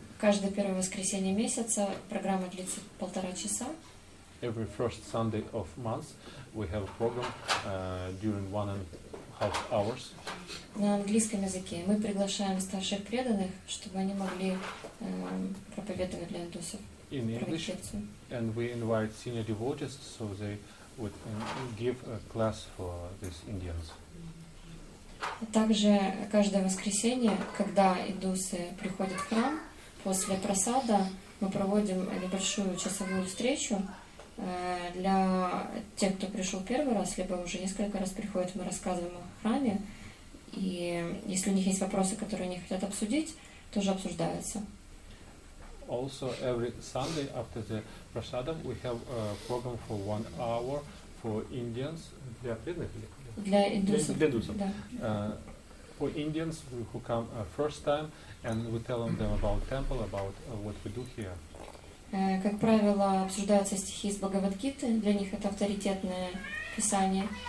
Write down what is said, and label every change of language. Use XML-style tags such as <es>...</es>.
<ru>Каждое первое воскресенье месяца программа длится полтора часа.</ru> <en>Every first Sunday of month, we have a program during 1.5 hours.</en> <ru>На английском языке мы приглашаем старших преданных, чтобы они могли проповедовать для индусов.</ru> <en>In English, and we invite senior devotees so they would give a class for these Indians.</en> <ru>Также каждое воскресенье, когда индусы приходят в храм после просада, мы проводим небольшую часовую встречу. Для тех, кто пришел первый раз, либо уже несколько раз приходит, мы рассказываем о храме. И если у них есть вопросы, которые они хотят обсудить, тоже обсуждаются.</ru> <en>Also, every Sunday after the prasadam, we have a program for 1 hour for Indians.</en> <ru>Для преданных? Для индусов. Для индусов.</ru> <en>For Indians who come first time, and we tell them about temple, about what we do here.</en> <ru>Как правило, обсуждаются стихи из Бхагавад-гиты, для них это авторитетное писание.</ru>